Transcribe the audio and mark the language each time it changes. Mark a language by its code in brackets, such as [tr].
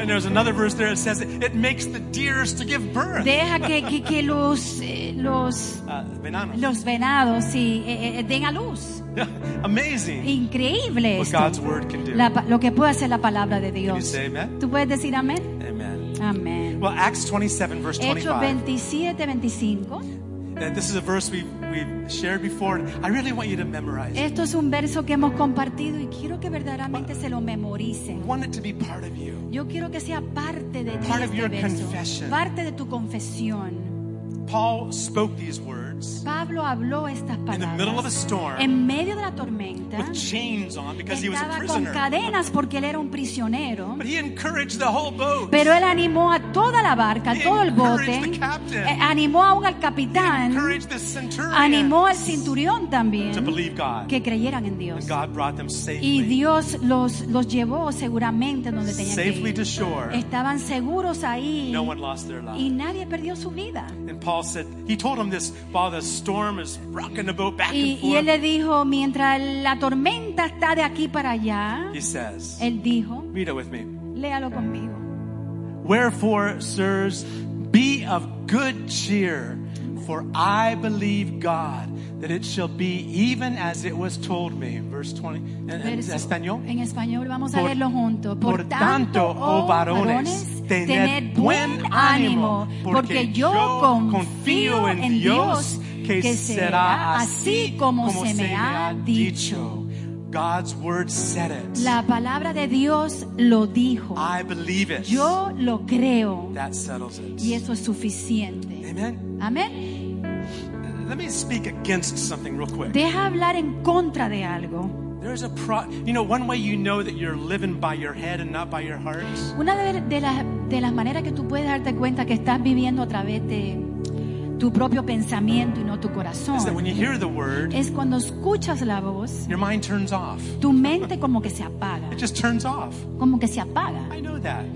[en] And there's another verse there that says it makes the deers to give birth. [es] Deja que los venados sí, den a luz. [en] Amazing. [es] Increíble. [en] What God's word can do. [es] Lo que puede hacer la palabra de Dios. [en] Can you say amen? [es] ¿Tú puedes decir amén? [en] Amen. [es] Amen. [en] Well, Acts 27, verse 25. [es] Hechos 27:25. [en] This is a verse we've shared before. And I really want you to memorize it. [es] Esto es un verso que hemos compartido y quiero que verdaderamente se lo memoricen. [en] I want it to be part of you. [es] Yo quiero que sea parte de [en] part [es] este [en] of your [es] verso. [en] Confession. [es] Parte de tu confesión. [en] Paul spoke these words. [es] Pablo habló estas palabras. [en] In the middle of a storm. [es] En medio de la tormenta. [en] With chains on because he was a prisoner. [es] Estaba con cadenas porque él era un prisionero. [en] But he encouraged the whole boat. [es] Pero él animó a toda la barca, [en] he [es] todo el bote. [en] Encouraged the captain. [es] Animó aún al capitán. [en] He encouraged the centurion. [es] Animó al centurión también. [en] To believe God. [es] Que creyeran en Dios. [en] And God brought them safely. [es] Y Dios los llevó seguramente donde tenían que ir. [en] Safely to shore. [es] Estaban seguros ahí. [en] No one lost their life. [es] Y nadie perdió su vida. [en] And Paul said, he told him this while the storm is rocking the boat back and forth. [es] Y él le dijo, mientras la tormenta está de aquí para allá, [en] he says, [es] él dijo, [en] read it with me. [es] Léalo conmigo. [en] Wherefore, sirs, be of good cheer, for I believe God that it shall be even as it was told me. Verse 20. [es] En español. En español vamos a leerlo juntos. Por tanto, oh varones, tened buen ánimo, porque yo confío en Dios que será así como se me ha dicho. [en] God's word said it. [es] La palabra de Dios lo dijo. [en] I believe it. [es] Yo lo creo. [en] That settles it. [es] Y eso es suficiente. [en] Amen. [es] Amen. [en] Let me speak against something real quick. [es] Deja hablar en contra de algo. [en] There's a pro, you know, one way you know that you're living by your head and not by your heart. [es] Una de las maneras que tú puedes darte cuenta que estás viviendo a través de tu propio pensamiento y no tu corazón. [en] Is that when you hear the word, [es] es cuando escuchas la voz. [en] Your mind turns off. [es] Tu mente como que se apaga. [en] It just turns off. [es] Como que se apaga. [en] I know that.